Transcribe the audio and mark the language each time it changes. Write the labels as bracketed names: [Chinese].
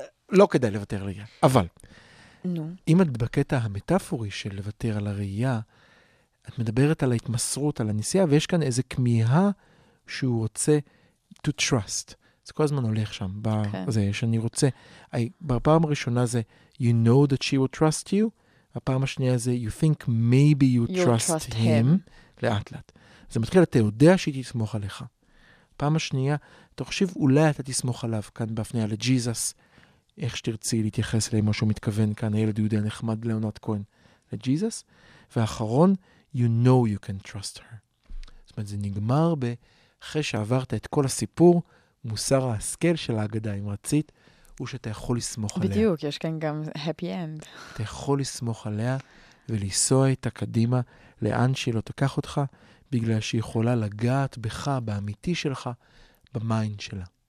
[Hebrew] לא כדאי לוותר על ראייה. אבל, אם את בקטע המטאפורי של לוותר על הראייה, את מדברת על ההתמסרות, על הנסיעה, ויש כאן איזו כמיהה שהוא רוצה [English] to trust. [Hebrew] זה כל הזמן הולך שם, בזה שאני רוצה. בפעם הראשונה זה, [English] you know that she will trust you, [Hebrew] הפעם השנייה זה, [English] you think maybe you trust him, [Hebrew] לאט לאט. זה מתחיל, אתה יודע שהיא תסמוך עליך. פעם השנייה, תחשיב, אולי אתה תסמוך עליו, כאן בהפניה לג'יזס, איך שתרצי להתייחס אליי, משהו מתכוון כאן, הילד יהודי הנחמד ליאונרד כהן, לג'יזס. ואחרון, [English] you know you can trust her. [Hebrew] זאת אומרת, זה נגמר אחרי שעברת את כל הסיפור, מוסר ההשכל של ההגדה, אם רצית, הוא שאתה יכול לסמוך בדיוק, עליה. בדיוק, יש כאן גם [English] happy end. [Hebrew] אתה יכול לסמוך עליה ולנסוע איתה קדימה, לאן שהיא לא תקח אותך, בגלל שהיא יכולה לגעת בך, באמיתי שלך, במיינד שלה.